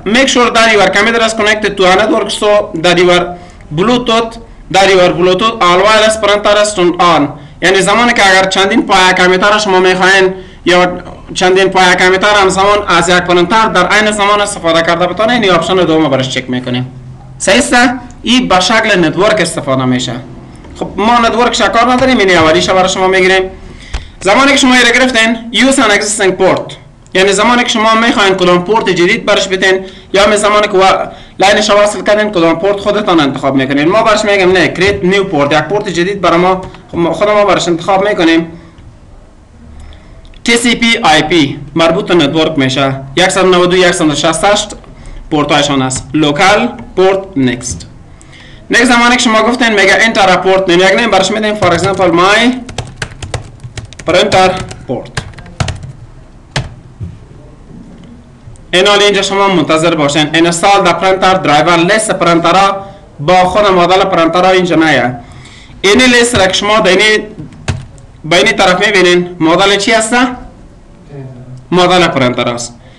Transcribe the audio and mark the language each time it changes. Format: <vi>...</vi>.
<en>Make sure that your computer is connected to a network so that your Bluetooth or wireless printer is turned on.</en> <fa>یعنی زمانی که اگر چندین پایه کامپیوتر شما میخواین یا چندین پایه کامپیوتر هم زمان از یک پرنتر در عین زمان استفاده کرده بتونین، این اپشن دوم برش چک میکنیم. صحیح است؟ این به شکل نتورک استفاده میشه. خب ما نتورک شکار نداریم، این اولیش برای شما میگیریم. زمانی که شما ایره گرفتین</fa> <en>use an existing port.</en> <fa>یعنی زمانی که شما میخواین کدام پورت جدید برش بدین یا می زمانی که لاینش وصل کردین کدام پورت خودتان انتخاب میکنین. ما برش میگم نه</fa> <en>create new port،</en> <fa>یک پورت جدید برای ما خود ما برش انتخاب میکنیم. TCP IP مربوط به نتورک میشه. 192.168 پورت هایشان است.</fa> <en>local port next.</en> <fa>next زمانی که شما گفتین میگه</fa> <en>enter a port name،</en> <fa>یک نیم برش میدین</fa> <en>for example my printer port.</en> <fa>این حال اینجا شما منتظر باشین انستال در پرنتر درایور لیست پرنتر ها با خود مدل پرنتر ها اینجا نیه. این لیست را که شما به این طرف میبینین مدل چی هسته؟ مدل پرنتر هست.</fa>